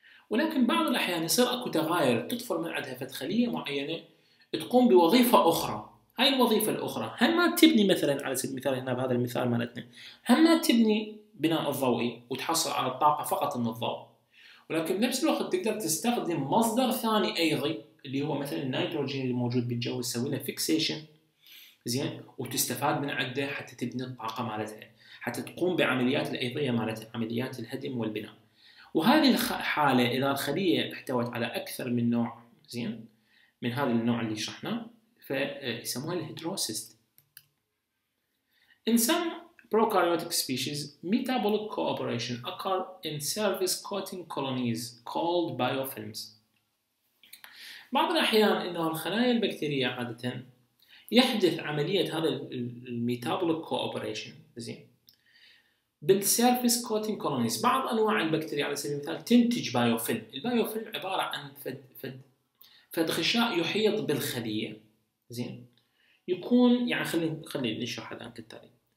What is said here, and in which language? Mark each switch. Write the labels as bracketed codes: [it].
[ar] ولكن بعض الاحيان يصير اكو تغاير تطفر من عندها فتخليه معينه تقوم بوظيفه اخرى، هاي الوظيفه الاخرى هم ما تبني مثلا على سبيل المثال هنا بهذا المثال مالتنا هم ما تبني بناء الضوئي وتحصل على الطاقه فقط من الضوء، ولكن بنفس الوقت تقدر تستخدم مصدر ثاني ايضي اللي هو مثلا النيتروجين اللي موجود بالجو يسوي له فيكسيشن زين، وتستفاد من عده حتى تبني الطاقه مالتها، حتى تقوم بعمليات الايضيه مالتها، عمليات الهدم والبناء. وهذه الحاله اذا الخليه احتوت على اكثر من نوع زين من هذا النوع اللي شرحناه فيسموها الهيتروسيست. [en] In some prokaryotic species, metabolic cooperation occur in surface coating colonies called biofilms. [ar] بعض الأحيان إنه الخلايا البكتيرية عادة يحدث عملية هذا الميتابوليك كوبريشن زين بالسيرفيس كوتينج كولونيز. بعض أنواع البكتيريا على سبيل المثال تنتج بايوفيلم. البايوفيلم عبارة عن فد غشاء يحيط بالخلية زين، يكون يعني خلينا نشرح الآن كالتالي.